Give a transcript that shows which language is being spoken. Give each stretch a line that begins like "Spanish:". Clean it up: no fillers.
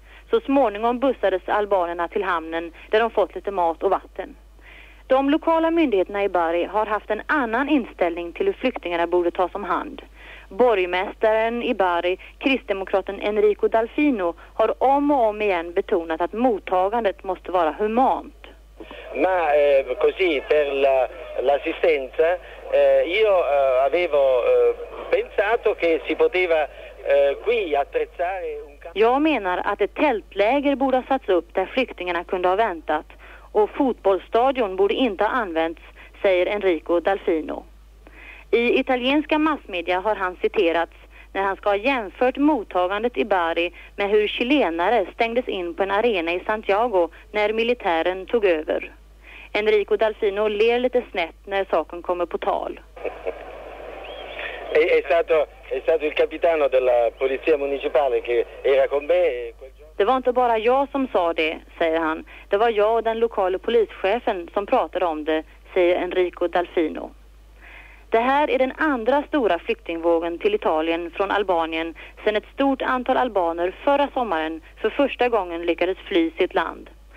Swedish: Så småningom bussades albanerna till hamnen där de fått lite mat och vatten. De lokala myndigheterna i Bari har haft en annan inställning till hur flyktingarna borde tas om hand. Borgmästaren i Bari, kristdemokraten Enrico Dalfino, har om och om igen betonat att mottagandet måste vara humant.
Italian: Ma così per l'assistenza io avevo pensato che si poteva qui attrezzare un.
Swedish: Jag menar att ett tältläger borde ha satts upp där flyktingarna kunde ha väntat, och fotbollsstadion borde inte ha använts, säger Enrico Dalfino. I italienska massmedia har han citerats när han ska ha jämfört mottagandet i Bari med hur chilenare stängdes in på en arena i Santiago när militären tog över. Enrico Dalfino ler lite snett när saken kommer på tal.
Italian: È stato, è stato il capitano della polizia municipale che era con me.
Swedish: Det var inte bara jag som sa det, säger han. Det var jag och den lokala polischefen som pratade om det, säger Enrico Dalfino. Det här är den andra stora flyktingvågen till Italien från Albanien sedan ett stort antal albaner förra sommaren för första gången lyckades fly sitt land.